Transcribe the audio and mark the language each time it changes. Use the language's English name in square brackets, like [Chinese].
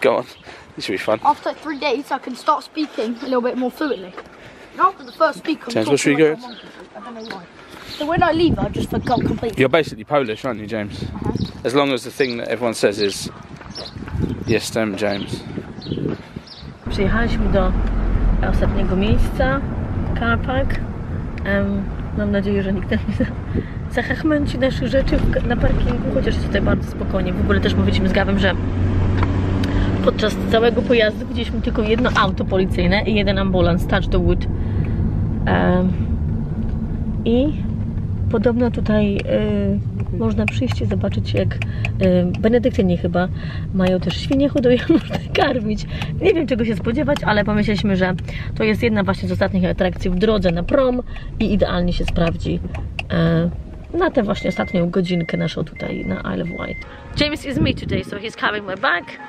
[English] Go on, this should be fun. After 3 days I can start speaking a little bit more fluently. And after the first week I'm talking like I don't know why. So when I leave, I just forgot completely. You're basically Polish, aren't you, James? Uh-huh. As long as the thing that everyone says is, yes, I'm James. [Polish] Przyjechaliśmy do ostatniego miejsca, [English] car park. [Polish] Mam nadzieję, że nikt nie zahachmęci naszych rzeczy na parkingu, chociaż jest tutaj bardzo spokojnie. W ogóle też mówiliśmy z Gawem, że podczas całego pojazdu widzieliśmy tylko jedno auto policyjne i jeden ambulans, [English] touch the wood. [Polish] I podobno tutaj można przyjść i zobaczyć, jak benedyktyni chyba mają też świnie hodują, można karmić. Nie wiem, czego się spodziewać, ale pomyśleliśmy, że to jest jedna właśnie z ostatnich atrakcji w drodze na prom i idealnie się sprawdzi na tę właśnie ostatnią godzinkę naszą tutaj na Isle of Wight. [English] James is me today, so he's carrying my bag.